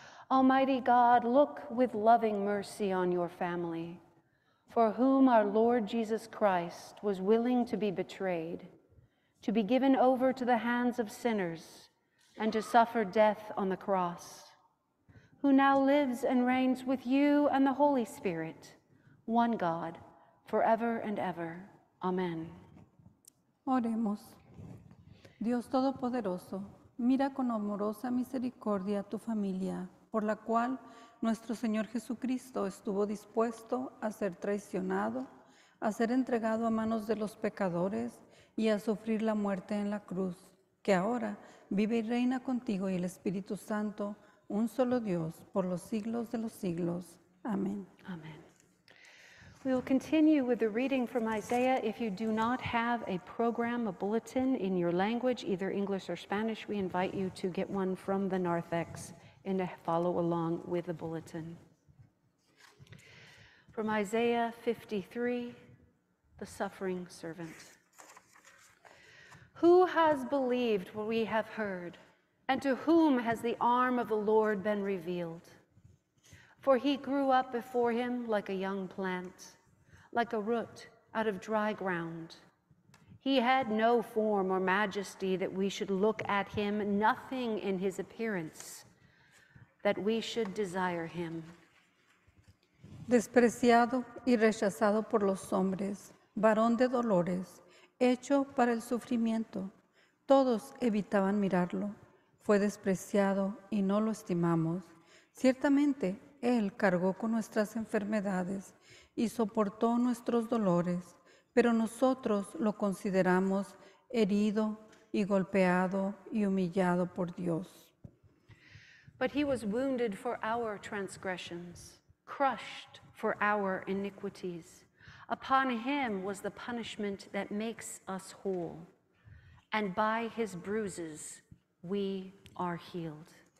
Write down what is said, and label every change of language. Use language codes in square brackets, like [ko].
[en] Almighty God, look with loving mercy on your family, for whom our Lord Jesus Christ was willing to be betrayed, to be given over to the hands of sinners, and to suffer death on the cross, who now lives and reigns with you and the Holy Spirit, one God, forever and ever. Amen. [es] Oremos. Dios Todopoderoso, mira con amorosa misericordia a tu familia, por la cual nuestro Señor Jesucristo estuvo dispuesto a ser traicionado, a ser entregado a manos de los pecadores y a sufrir la muerte en la cruz, que ahora vive y reina contigo y el Espíritu Santo, un solo Dios, por los siglos de los siglos. Amén. Amén. [en] We will continue with the reading from Isaiah. If you do not have a program, a bulletin in your language, either English or Spanish, we invite you to get one from the narthex and to follow along with the bulletin. From Isaiah 53, the suffering servant. Who has believed what we have heard? And to whom has the arm of the Lord been revealed? For he grew up before him like a young plant, like a root out of dry ground. He had no form or majesty that we should look at him, nothing in his appearance that we should desire him. [es] Despreciado y rechazado por los hombres, varón de dolores, hecho para el sufrimiento, todos evitaban mirarlo. Fue despreciado y no lo estimamos. Ciertamente, Él cargó con nuestras enfermedades y soportó nuestros dolores, pero nosotros lo consideramos herido y golpeado y humillado por Dios. [en] But he was wounded for our transgressions, crushed for our iniquities. Upon him was the punishment that makes us whole, and by his bruises we are healed.